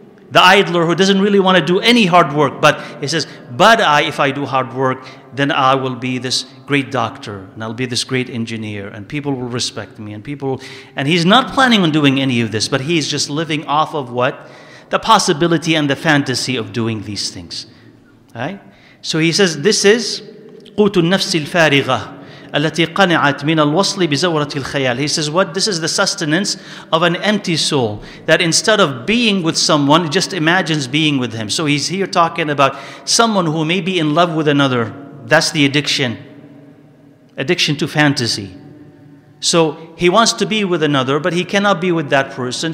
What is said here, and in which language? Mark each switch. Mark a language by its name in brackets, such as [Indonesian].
[English] The idler who doesn't really want to do any hard work, but he says, if I do hard work, then I will be this great doctor, and I'll be this great engineer, and people will respect me, and he's not planning on doing any of this, but he's just living off of what? The possibility and the fantasy of doing these things. Right? So he says, this is [Arabic] قُوتُ النَّفْسِ الْفَارِغَةِ التي قنعت من الوصل بزورة الخيال. [English] He says, what? This is the sustenance of an empty soul that instead of being with someone, just imagines being with him. So he's here talking about someone who may be in love with another. That's the addiction. Addiction to fantasy. So he wants to be with another, but he cannot be with that person.